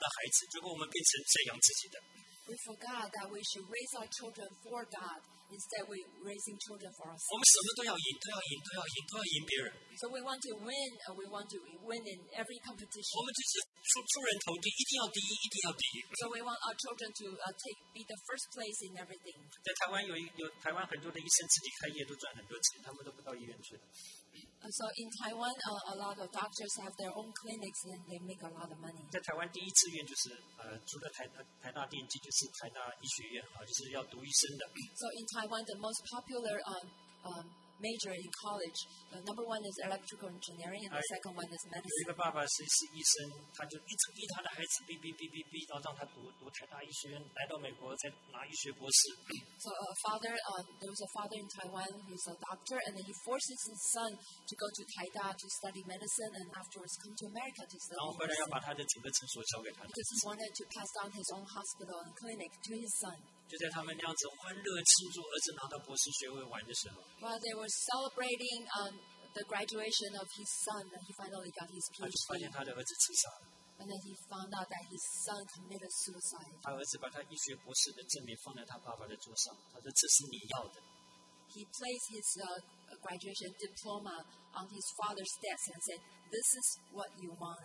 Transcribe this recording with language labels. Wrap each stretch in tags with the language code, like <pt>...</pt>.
<zh>我们忘了说，我们是要为神来养神家的孩子，结果我们变成这样自己的。</zh> <en>We forgot that we should raise our children for God instead of raising children for ourselves.</en> <zh>我们什么都要赢，都要赢，都要赢，都要赢别人。</zh> <en>So we want to win, and we want to win in every competition.</en> <zh>我们就是出人头地，一定要第一，一定要第一。So</zh> <en>we want our children to be the first place in everything.</en> <zh>在台湾有台湾很多的医生自己开业都赚很多钱，他们都不到医院去了。</zh> <en>So in Taiwan, a lot of doctors have their own clinics and they make a lot of money.</en> <zh>在台湾第一志愿就是除了台大电机就是台大医学院啊，就是要读医生的。</zh> <en>So in Taiwan, the most popular major in college. Number one is electrical engineering, and the second one is medicine.</en> <zh>有一个爸爸是医生，他就一直逼他的孩子逼，然后让他读台大医学院，来到美国再拿医学博士。</zh> <en>So a father, there was a father in Taiwan who's a doctor, and then he forces his son to go to Taida to study medicine, and afterwards come to America to study.</en> <zh>然后后来要把他的整个诊所交给他。</zh> <en>Because he wanted to pass down his own hospital and clinic to his son.</en> <zh>就在他们那样子欢乐庆祝儿子拿到博士学位玩的时候</zh> <en>，Well, they were celebrating the graduation of his son, and he finally got his PhD.</en> <zh>他就发现他的儿子自杀了。</zh> <en>And then he found out that his son committed suicide.</en> <zh>他儿子把他医学博士的证明放在他爸爸的桌上，他说：“这是你要的。”</zh> <en>He placed his graduation diploma on his father's desk and said, "This is what you want."</en>